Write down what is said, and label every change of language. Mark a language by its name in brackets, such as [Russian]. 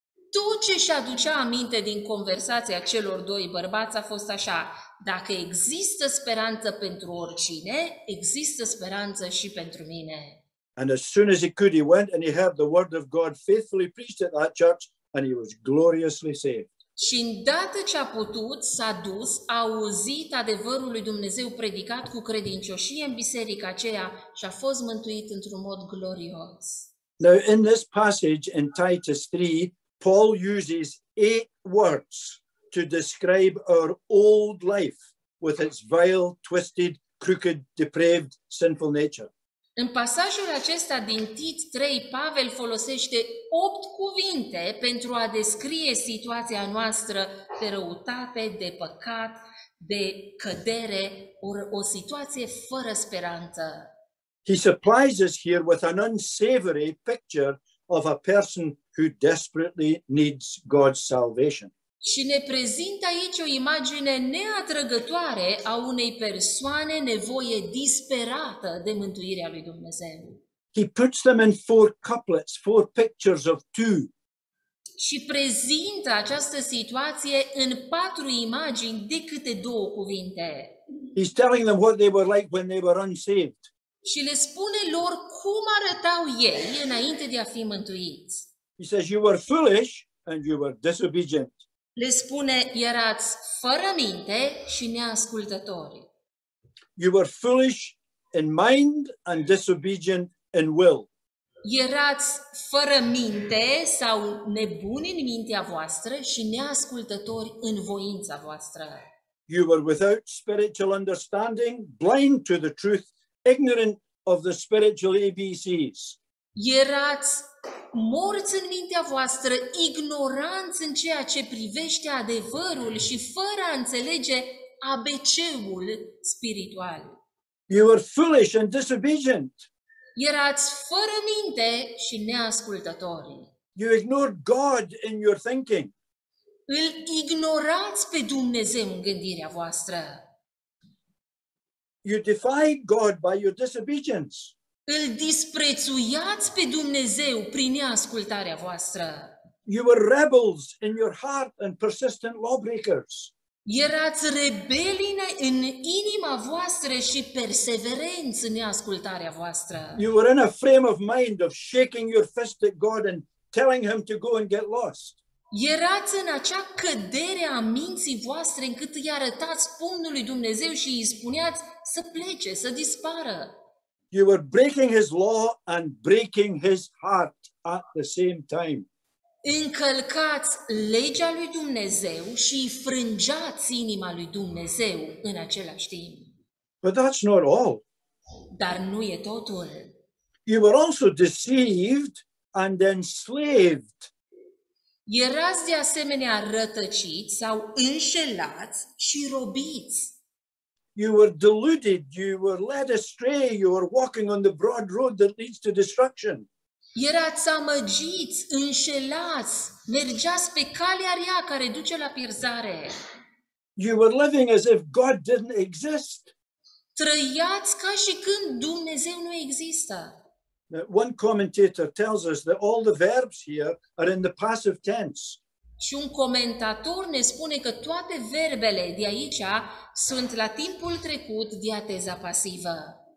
[Romanian] Tot ce și-aducea aminte din conversația celor doi bărbați a fost așa: dacă există speranță pentru oricine, există speranță și pentru mine. [English] And as soon as he could, he went and he heard the word of God faithfully preached at that church and he was gloriously saved. [Romanian] Și îndată ce a putut, s-a dus, a auzit adevărul lui Dumnezeu predicat cu credincioșie în biserica aceea și a fost mântuit într-un mod glorios. [English] Now, in this passage in Titus 3, Paul uses 8 words to describe our old life with its vile, twisted, crooked, depraved, sinful nature. [Romanian] În pasajul acesta din Tit 3, Pavel folosește 8 cuvinte pentru a descrie situația noastră de răutate, de păcat, de cădere, o situație fără speranță. [English] He supplies us here with an unsavory picture of a person who desperately needs God's salvation. [Romanian] Și ne prezintă aici o imagine neatrăgătoare a unei persoane nevoie disperată de mântuirea lui Dumnezeu. [English] He puts them in 4 couplets, 4 pictures of 2. [Romanian] Și prezintă această situație în 4 imagini de câte 2 cuvinte. [English] He's telling them what they were like when they were unsaved. [Romanian] Și le spune lor cum arătau ei înainte de a fi mântuiți. [English] He says, "You were foolish and you were disobedient." [Romanian] Le spune, erați fără minte și neascultători. [English] "You were foolish in mind and disobedient in will." [Romanian] Erați fără minte sau nebuni în mintea voastră și neascultători în voința voastră. [English] "You were without spiritual understanding, blind to the truth, ignorant of the spiritual ABCs." [Romanian] Erați morți în mintea voastră, ignoranți în ceea ce privește adevărul și fără a înțelege ABC-ul spiritual. [English] "You were foolish and disobedient." [Romanian] Erați fără minte și neascultători. [English] "You ignored God in your thinking." [Romanian] Îl ignorați pe Dumnezeu în gândirea voastră. [English] "You defied God by your disobedience." [Romanian] Îl disprețuiați pe Dumnezeu prin neascultarea voastră. [English] "You were rebels in your heart and persistent lawbreakers." [Romanian] Erați rebeli în inima voastră și perseverenți în neascultarea voastră. [English] "You were in a frame of mind of shaking your fist at God and telling him to go and get lost." [Romanian] Erați în acea cădere a minții voastre încât îi arătați pumnul lui Dumnezeu și îi spuneați să plece, să dispară. [English] You were breaking his law and breaking his heart at the same time. [Romanian] Încălcați legea lui Dumnezeu și frângeați inima lui Dumnezeu în același timp. [English] But that's not all. [Romanian] Dar nu e totul. [English] You were also deceived and enslaved. [Romanian] Erați de asemenea rătăciți sau înșelați și robiți. [English] You were deluded, you were led astray, you were walking on the broad road that leads to destruction. [Romanian] Erați amăgiți, înșelați, mergeați pe calea rea care duce la pierzare. [English] You were living as if God didn't exist. [Romanian] Trăiați ca și când Dumnezeu nu există. [English] One commentator tells us that all the verbs here are in the passive tense. [Romanian] Și un comentator ne spune că toate verbele de aici sunt la timpul trecut, diateza pasivă.